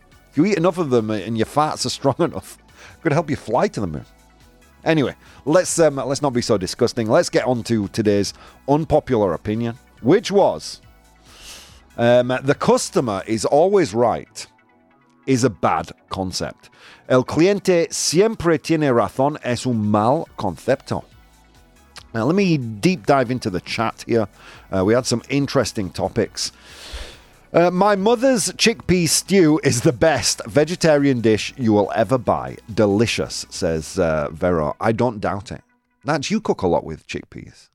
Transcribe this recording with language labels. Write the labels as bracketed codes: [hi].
[en] If you eat enough of them and your farts are strong enough, could help you fly to the moon. Anyway, let's not be so disgusting. Let's get on to today's unpopular opinion, which was the customer is always right is a bad concept. [es] El cliente siempre tiene razón es un mal concepto. [en] Now, let me deep dive into the chat here. We had some interesting topics. My mother's chickpea stew is the best vegetarian dish you will ever buy. Delicious, says Vera. I don't doubt it. Natch, you cook a lot with chickpeas.